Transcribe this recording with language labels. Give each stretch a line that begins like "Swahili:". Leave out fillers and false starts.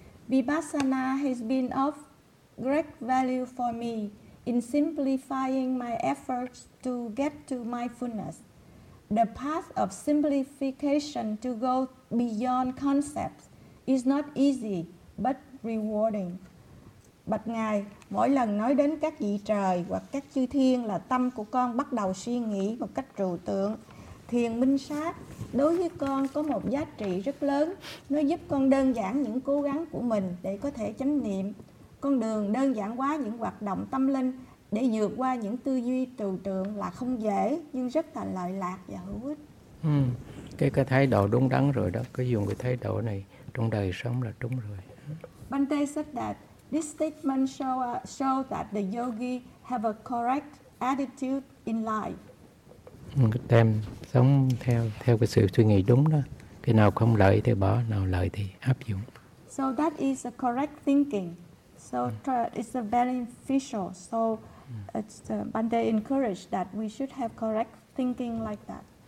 English: Vipassana has been of great value for me in simplifying my efforts to get to mindfulness. The path of simplification to go beyond concepts is not easy, but rewarding.
Vietnamese: Bạch Ngài, mỗi lần nói đến các vị trời hoặc các chư thiên là tâm của con bắt đầu suy nghĩ một cách trừu tượng. Thiền minh sát đối với con có một giá trị rất lớn. Nó giúp con đơn giản những cố gắng của mình để có thể chánh niệm. Con đường đơn giản hóa những hoạt động tâm linh để vượt qua những tư duy trừu tượng là không dễ, nhưng rất là lợi lạc và hữu ích. Cái thái độ đúng đắn rồi đó. Cứ dùng cái thái độ này trong đời sống là đúng rồi.
English: Bhante said that this statement show that the yogi have a correct attitude in life.
Vietnamese: Đem sống theo cái sự suy nghĩ đúng đó. Cái nào không lợi thì bỏ, nào lợi thì áp dụng.
English: So that is a correct thinking. So it's a beneficial. So it's Bhante encouraged that we should have correct thinking like that.